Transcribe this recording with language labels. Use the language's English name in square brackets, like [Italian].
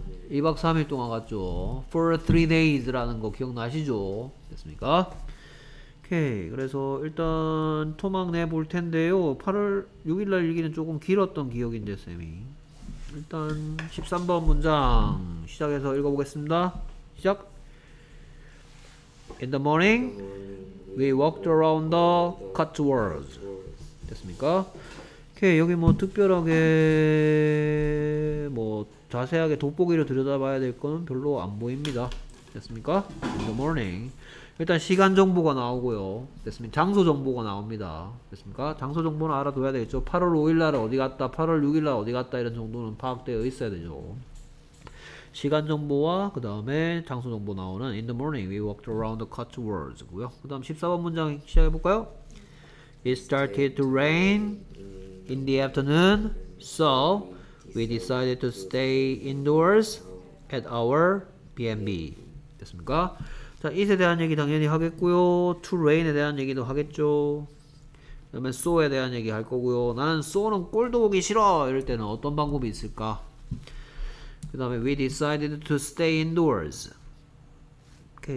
[Korean] 2박 3일 동안 갔죠. [English] For 3 days [Korean] 라는 거 기억나시죠? 됐습니까? 오케이. 그래서 일단 토막 내볼 텐데요. 8월 6일 날 일기는 조금 길었던 기억인데, 쌤이. 일단 13번 문장 시작해서 읽어보겠습니다. 시작. [English] In the morning, we walked around the cotswolds. [Korean] 됐습니까? 오케이, 여기 뭐 특별하게 뭐 자세하게 돋보기로 들여다봐야 될 거는 별로 안 보입니다. 됐습니까? [English] In the morning, [Korean] 일단 시간 정보가 나오고요. 됐습니까? 장소 정보가 나옵니다. 됐습니까? 장소 정보는 알아둬야 되겠죠. 8월 5일날 어디 갔다, 8월 6일날 어디 갔다 이런 정도는 파악되어 있어야 되죠. 시간 정보와 그 다음에 장소 정보 나오는 [English] In the morning we walked around the Cotswolds [Korean] 고요. 그 다음 14번 문장 시작해 볼까요? [English] It started to rain in the afternoon, so we decided to stay indoors at our B&B. [Korean] 됐습니까? 자, it에 대한 얘기 당연히 하겠고요. To rain에 대한 얘기도 하겠죠. 그 다음에 so에 대한 얘기 할 거고요. 나는 so는 꼴도 보기 싫어! 이럴 때는 어떤 방법이 있을까? 그 다음에 [English] we decided to stay indoors. [Korean] 오케이.